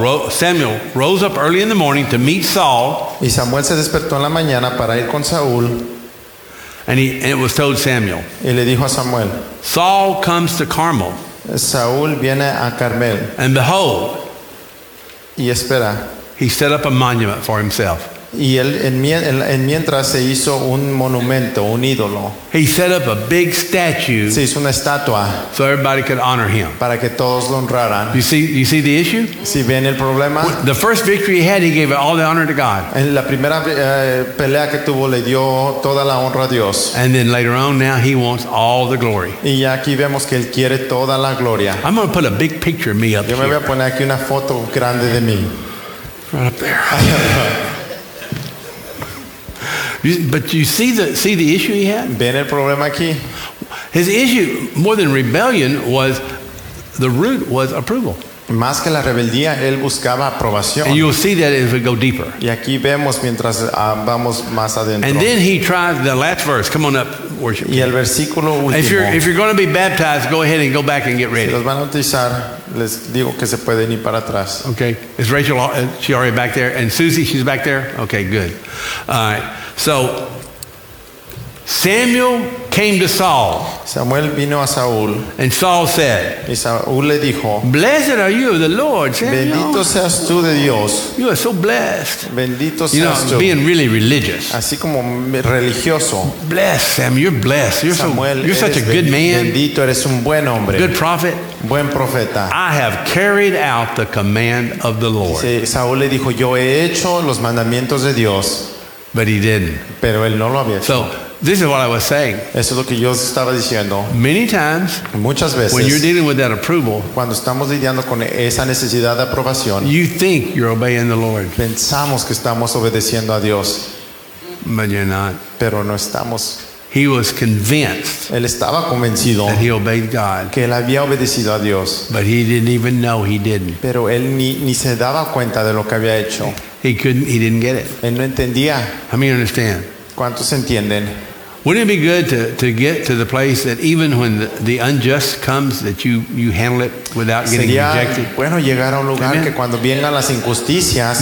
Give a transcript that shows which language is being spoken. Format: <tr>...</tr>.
<en>Samuel rose up early in the morning to meet Saul.</en> <es>Y Samuel se despertó en la mañana para ir con Saúl.</es> <en>And it was told Samuel.</en> <es>Y le dijo a Samuel.</es> <en>Saul comes to Carmel.</en> <es>Saúl viene a Carmel.</es> <en>And behold.</en> <es>Y espera.</es> <en>He set up a monument for himself.</en> <es>Y él en mientras se hizo un monumento, un ídolo.</es> <en>He set up a big statue.</en> <es>Se hizo una estatua.</es> <en>So everybody could honor him.</en> <es>Para que todos lo honraran.</es> <en>You see the issue?</en> <es>¿Sí ven el problema?</es> <en>The first victory he had, he gave all the honor to God.</en> <es>En la primera pelea que tuvo le dio toda la honra a Dios.</es> <en>And then later on, now he wants all the glory.</en> <es>Y ya aquí vemos que él quiere toda la gloria.</es> <en>I'm going to put a big picture of me up here.</en> <es>Yo me voy a poner aquí una foto grande de mí.</es> <en>Right up there. But you see the issue he had?</en> <es>¿Ven el problema aquí?</es> <en>His issue, more than rebellion, was the root was approval.</en> <es>Más que la rebeldía, él buscaba aprobación.</es> <en>And you'll see that as we go deeper.</en> <es>Y aquí vemos mientras vamos más adentro.</es> <en>And then he tried the last verse. Come on up, worship.</en> <es>Y el versículo último.</es> <en>If you're going to be baptized, go ahead and go back and get ready.</en> <es>Si los van a bautizar, les digo que se pueden ir para atrás.</es> <en>Okay. Is Rachel? She already back there? And Susie? She's back there? Okay. Good. All right. So Samuel came to Saul.</en> <es>Samuel vino a Saúl.</es> <en>And Saul said,</en> <es>y Saúl le dijo,</es> <en>"Blessed are you of the Lord, Samuel.</en> <es>Bendito seas tú de Dios.</es> <en>You are so blessed.</en> <es>Bendito seas tú."</es> <en>You know, being really religious.</en> <es>Así como religioso.</es> <en>Blessed, Samuel. You're blessed. You're</en> <es>Samuel,</es> <en>so, you're such a good man.</en> <es>Bendito eres un buen hombre.</es> <en>Good prophet.</en> <es>Buen profeta.</es> <en>I have carried out the command of the Lord.</en> <es>Dice, Saúl le dijo, "Yo he hecho los mandamientos de Dios."</es> <en>But he didn't.</en> <es>Pero él no lo había hecho.</es> <en>So, this is what I was saying.</en> <es>Eso es lo que yo estaba diciendo.</es> <en>Many times,</en> <es>muchas veces,</es> <en>when you're dealing with that approval,</en> <es>cuando estamos lidiando con esa necesidad de aprobación,</es> <en>you think you're obeying the Lord.</en> <es>Pensamos que estamos obedeciendo a Dios.</es> <en>But you're not.</en> <es>Pero no estamos.</es> <en>He was convinced.</en> <es>Él estaba convencido</es> <en>that he obeyed God.</en> <es>Que él había obedecido a Dios.</es> <en>But he didn't even know he didn't.</en> <es>Pero él ni se daba cuenta de lo que había hecho.</es> <en>He didn't get it.</en> <es>Él no entendía.</es> <en>How many understand?</en> <es>¿Cuántos entienden?</es> <en>Wouldn't it be good to get to the place that even when the unjust comes, that you handle it without getting rejected?</en> <es>Bueno, llegar a un lugar que cuando vengan las injusticias,</es>